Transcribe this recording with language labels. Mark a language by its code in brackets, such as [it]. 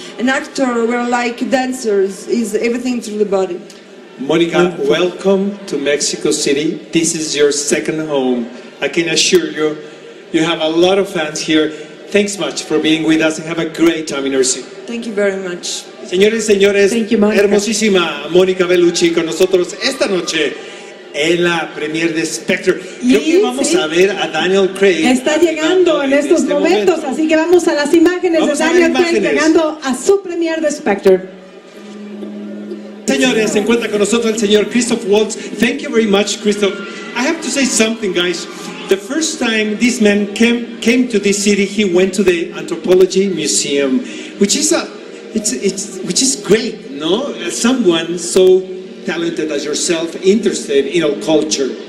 [en] An actor, we're like dancers. Is everything through the body. Mónica, welcome to Mexico City. This is your second home. I can assure you, you have a lot of fans here. Thanks much for being with us and have a great time in our city. Thank you very much. [es] Señores, señores, hermosísima Mónica Bellucci con nosotros esta noche en la premiere de Spectre. Creo que vamos a ver a Daniel Craig. Está llegando en estos momentos, así que vamos a las imágenes de Daniel Craig llegando a su premiere de Spectre. Señores, se encuentra con nosotros el señor Christoph Waltz. [en] Thank you very much, Christoph. I have to say something, guys. The first time this man came to this city, he went to the Anthropology Museum, which is which is great, no? Someone so talented as yourself, interested in our culture.